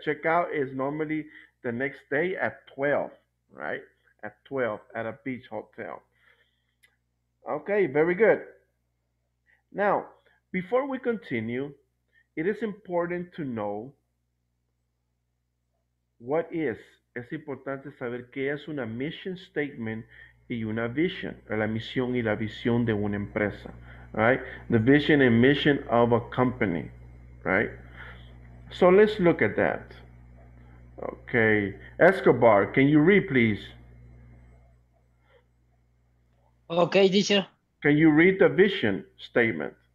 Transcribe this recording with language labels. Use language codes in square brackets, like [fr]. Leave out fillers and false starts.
[en] Check out is normally the next day at 12, right? At 12 at a beach hotel. Okay, very good. Now, before we continue, it is important to know what is. [es] Es importante saber qué es una mission statement y una vision, la misión y la visión de una empresa, right? [en] The vision and mission of a company, right? So let's look at that. Okay, Escobar, can you read, please? Okay, teacher. Can you read the vision statement?